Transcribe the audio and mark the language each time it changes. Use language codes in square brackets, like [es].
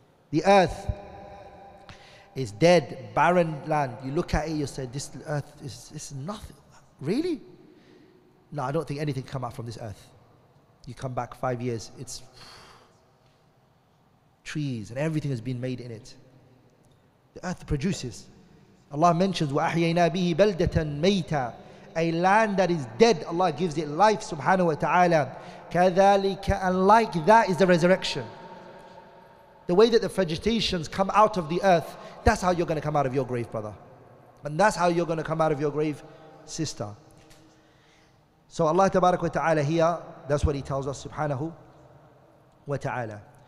[en] The earth is dead, barren land. You look at it, you say, this earth is nothing. Really? No, I don't think anything can come out from this earth. You come back 5 years, it's trees and everything has been made in it. The earth produces. [ar] Allah mentions, وَأَحْيَيْنَا بِهِ بَلْدَةً مَيْتًا. [en] A land that is dead, Allah gives it life, subhanahu wa ta'ala. كَذَلِكَ And like that is the resurrection. The way that the vegetations come out of the earth, that's how you're going to come out of your grave, brother. And that's how you're going to come out of your grave, sister. So Allah tabarak wa ta'ala here, that's what He tells us, subhanahu wa ta'ala.